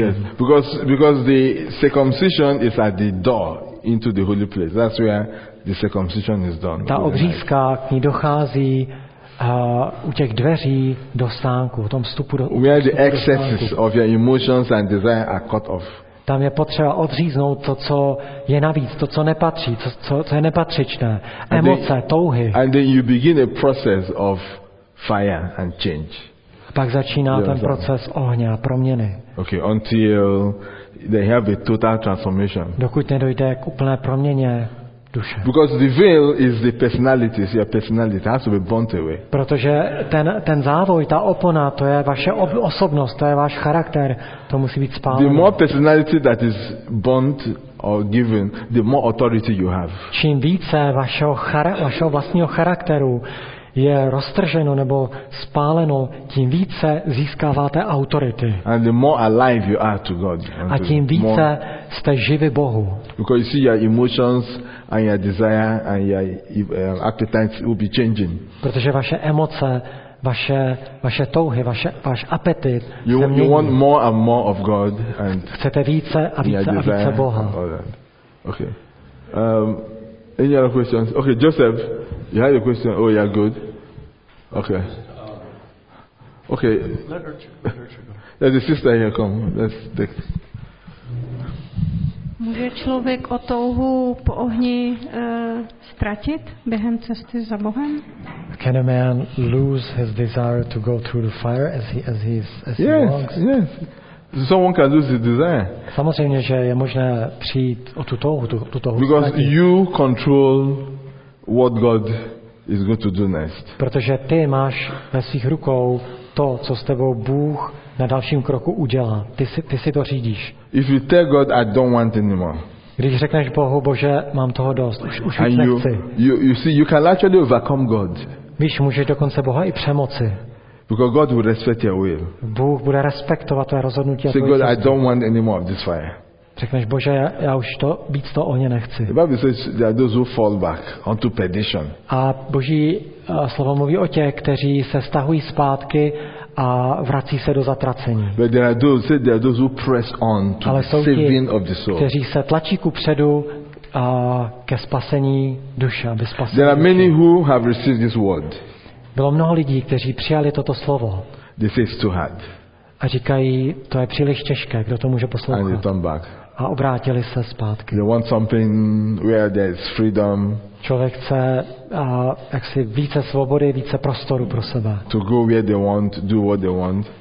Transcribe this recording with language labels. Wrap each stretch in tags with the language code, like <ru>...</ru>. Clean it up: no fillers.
<en>Yes, because the circumcision is at the door into the holy place. That's where the circumcision is done.</en> <cs>Ta obřízka, k ní dochází u těch dveří do stánku, v tom vstupu do stánku.</cs> <en>Where the excesses of your emotions and desire are cut off.</en> <cs>Tam je potřeba odříznout to, co je navíc, to, co nepatří, co je nepatřičné, emoce, touhy.</cs> <en>And then you begin a process of fire and change.</en> <cs>Pak začíná ten proces ohně, proměny.</cs> <en>Okay, until they have a total transformation.</en> <cs>Dokud nedojde k úplné proměně.</cs> <en>Because the veil is the personality, it's your personality, it has to be burnt away.</en> <cs>Protože ten závoj, ta opona, to je vaše osobnost, to je váš charakter, to musí být spáleno.</cs> <en>The more personality that is burnt or given, the more authority you have.</en> <cs>Čím více vašeho vlastního charakteru je roztrženo nebo spáleno, tím více získáváte autority.</cs> <en>And the more alive you are to God.</en> <cs>A tím více jste živi Bohu.</cs> <en>Because you see your emotions and your desire and your appetites will be changing.</en> <cs>Protože vaše emoce, vaše touhy, váš apetit.</cs> <en>You want more and more of God and</en> <cs>chcete více a více a více Boha.</cs> <en>Okay. Any other questions? Okay, Joseph, you had a question. Oh, yeah, good. Okay. Okay. Let her go. There's a sister here, come. Let's take.</en> <cs>Může člověk o touhu po ohni ztratit během cesty za Bohem?</cs> <en>Can a man lose his desire to go through the fire as he walks? Yes, yes. Someone can lose his desire.</en> <cs>Samozřejmě, že je možné přijít o tu touhu, tu touhu.</cs> <en>Because you control what God is going to do next.</en> <cs>Protože ty máš ve svých rukou to, co s tebou Bůh na dalším kroku udělá. Ty si to řídíš.</cs> <en>If you tell God I don't want anymore.</en> <cs>Když řekneš Bohu, Bože, mám toho dost, už nechci.</cs> <en>You see, you can actually overcome God.</en> <cs>Víš, můžeš dokonce Boha i přemoci.</cs> <en>Because God will respect your will.</en> <cs>Bůh bude respektovat tvé rozhodnutí.</cs> <en>Say, God, I don't want any more of this fire.</en> <cs>Řekneš, Bože, já už to víc to ohně nechci.</cs> <en>The Bible says there are those who fall back onto perdition.</en> <cs>A Boží slovo mluví o těch, kteří se stahují zpátky a vrací se do zatracení.</cs> <en>But there are those who press on to the saving of the soul.</en> <cs>Kteří se tlačí kupředu ke spasení duše, aby spasili.</cs> <en>There are many who have received this word.</en> <cs>Bylo mnoho lidí, kteří přijali toto slovo.</cs> <en>This is too hard.</en> <cs>A říkají, to je příliš těžké, kdo to může poslouchat.</cs> <en>And they turn back.</en> <cs>A obrátili se zpátky.</cs> <en>They want something where there is freedom.</en> <cs>Člověk chce jaksi více svobody, více prostoru pro sebe.</cs> <en>To go where they want, do what they want.</en>